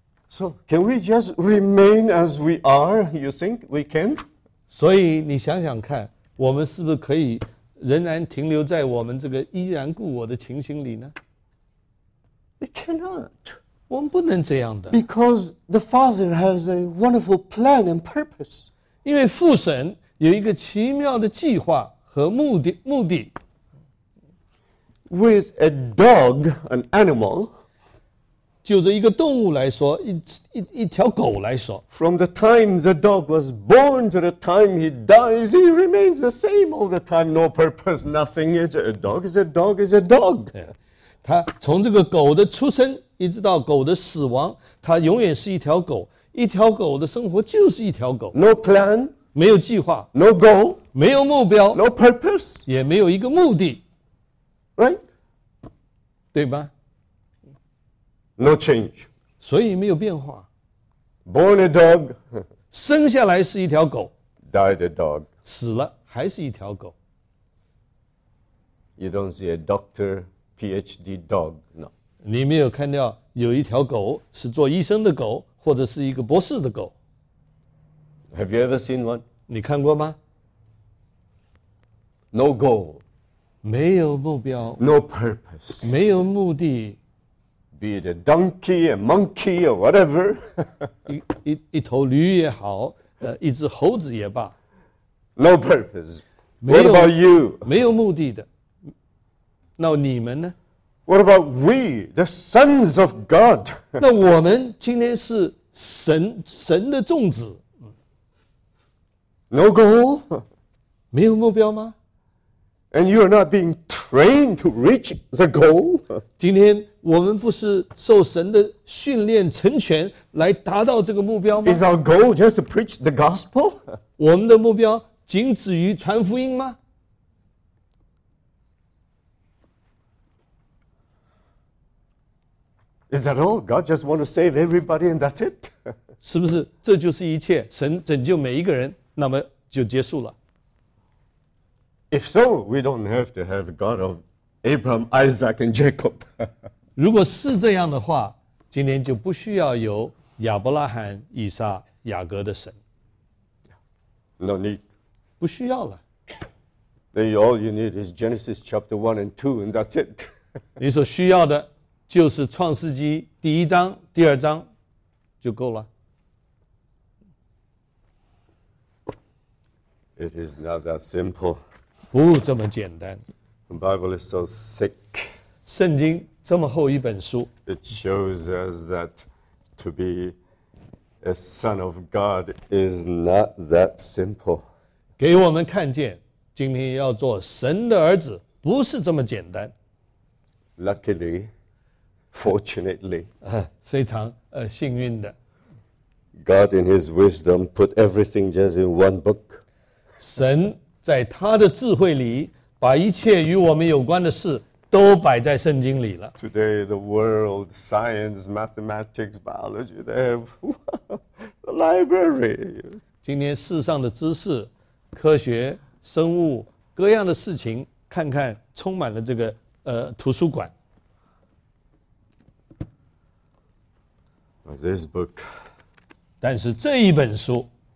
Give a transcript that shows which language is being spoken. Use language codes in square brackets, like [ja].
[en] So can we just remain as we are? You think we can? [zh] 所以你想想看，我们是不是可以仍然停留在我们这个依然故我的情形里呢？ [en] We cannot. [zh] 我们不能这样的。 [en] Because the Father has a wonderful plan and purpose. [zh] 因为父神有一个奇妙的计划和目的。 [en] With a dog, an animal, [zh] 就着一个动物来说， 一条狗来说， [en] From the time the dog was born to the time he dies, he remains the same all the time. No purpose, nothing. It's a dog, is a dog, is a dog. [zh] 他从这个狗的出生一直到狗的死亡，他永远是一条狗，一条狗的生活就是一条狗。 [en] No plan, [zh] 没有计划。 [en] No goal, [zh] 没有目标。 [en] No purpose, [zh] 也没有一个目的。 [en] Right, [zh] 对吧？ [en] No change. [zh] 所以没有变化。 [en] Born a dog. [zh] 生下来是一条狗。 [en] Died a dog. [zh] 死了还是一条狗。 [en] You don't see a doctor, PhD dog, no. [zh] 你没有看到有一条狗是做医生的狗或者是一个博士的狗。 [en] Have you ever seen one? [zh] 你看过吗？ [en] No goal. [zh] 没有目标。 [en] No purpose. [zh] 没有目的。 [en] Be it a donkey, a monkey, or whatever. [zh] 一头驴也好，一只猴子也罢。 [en] No purpose. What about you? [zh] 没有目的的。那你们呢？ [en] What about we, the sons of God? [zh] 那我们今天是神的众子。 [en] No goal? [zh] 没有目标吗？ [en] And you are not being trained to reach the goal? [zh] 今天我们不是受神的训练成全来达到这个目标吗？ [en] Is our goal just to preach the gospel? [zh] 我们的目标仅止于传福音吗？ [en] Is that all? God just want to save everybody and that's it? [zh] 是不是这就是一切，神拯救每一个人那么就结束了？ [en] If so, we don't have to have God of Abraham, Isaac and Jacob. [zh] 如果是这样的话，今天就不需要有亚伯拉罕、以撒、雅各的神。 [en] No need. [zh] 不需要了。 [en] Then all you need is Genesis chapter 1 and 2 and that's it. [zh] 你所需要的就是创世纪第一章、第二章就够了。 [en] It is not that simple. [zh] 不这么简单。 [en] The Bible is so thick. [zh] 圣经这么厚一本书。 [en] It shows us that to be a son of God is not that simple. [zh] 给我们看见，今天要做神的儿子，不是这么简单。 [en] Luckily, fortunately, [zh] 非常幸运的。 [en] God in His wisdom put everything just in one book. [zh] 神在他的智慧里把一切与我们有关的事都摆在圣经里了。 [en] Today, the world, science, mathematics, biology, they have the library. [zh] 今天世上的知识、科学、生物各样的事情，看看充满了这个图书馆。 [en] But this book, [zh] 但是这一本书